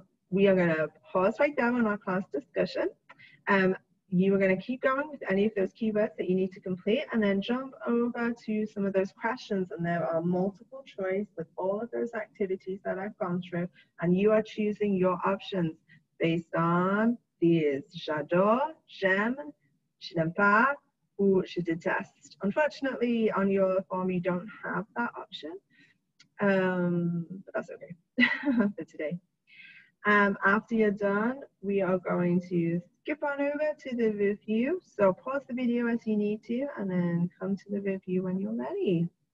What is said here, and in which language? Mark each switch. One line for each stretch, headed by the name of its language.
English: We are going to pause right there on our class discussion. You are going to keep going with any of those keywords that you need to complete and then jump over to some of those questions. And there are multiple choice with all of those activities that I've gone through. And you are choosing your options based on these.
French: J'adore, j'aime, je n'aime pas, ou je déteste.
English: Unfortunately, on your form, you don't have that option. But that's okay for today. After you're done, we are going to skip on over to the review. So pause the video as you need to and then come to the review when you're ready.